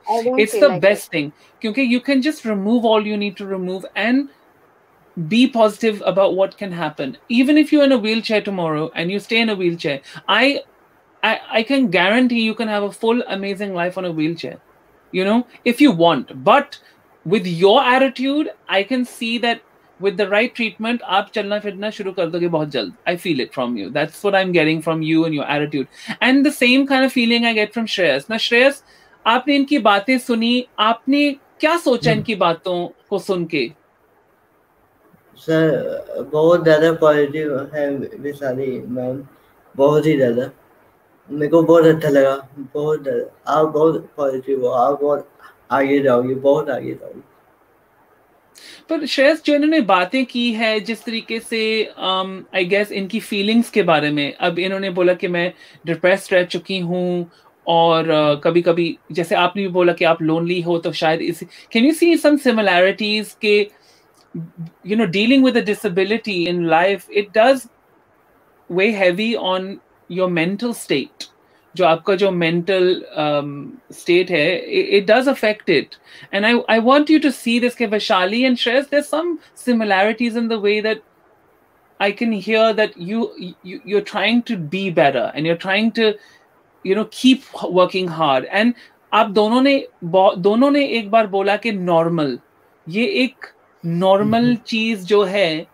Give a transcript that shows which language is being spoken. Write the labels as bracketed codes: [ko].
[en] It's the best thing kyunki you can just remove all you need to remove and be positive about what can happen. Even if you're in a wheelchair tomorrow and you stay in a wheelchair, I can guarantee you can have a full amazing life on a wheelchair. You know, if you want, but with your attitude I can see that with the right treatment [hi] आप चलना फिरना शुरू कर दोगे बहुत जल्द. [en] I feel it from you, that's what I am getting from you and your attitude and the same kind of feeling I get from Shreyas. [hi] ना श्रेयस, आपने इनकी बातें सुनी, आपने क्या सोचा इनकी बातों को सुन के? सर बहुत ज़्यादा पॉजिटिव है वे सारी मैम, बहुत ही ज़्यादा मेरे को बहुत अच्छा लगा. बहुत आप बहुत पॉजिटिव हो, आप बहुत आगे जाओगे, बहुत आगे जाओगे. पर श्रेयस जो इन्होंने बातें की है जिस तरीके से आई गेस इनकी फीलिंग्स के बारे में, अब इन्होंने बोला कि मैं डिप्रेस्ड रह चुकी हूँ और कभी कभी जैसे आपने भी बोला कि आप लोनली हो, तो शायद इस [en] Can you see some similarities के you know dealing with a disability in life it does weigh heavy on your mental state. [hi] जो आपका जो मेंटल स्टेट है [en] it does affect it and I want you to see this के Vaishali and Shreyas there some similarities in the way that I can hear that you are trying to be better and you are trying to you know keep working hard and [hi] aap dono ne ek bar bola ke normal ye ek normal cheez jo hai